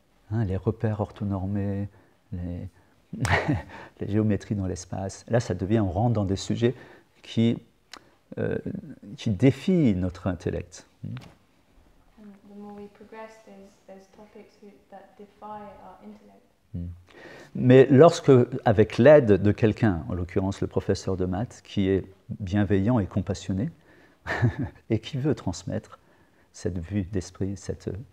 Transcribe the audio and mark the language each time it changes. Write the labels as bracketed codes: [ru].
[fr] Hein, les repères orthonormés, les géométries dans l'espace. Là, ça devient, on rentre dans des sujets qui défient notre intellect. [en] The more we progress, there's topics that defy our intellect. [fr] Mais lorsque, avec l'aide de quelqu'un, en l'occurrence le professeur de maths, qui est bienveillant et compassionné, et qui veut transmettre cette vue d'esprit, cette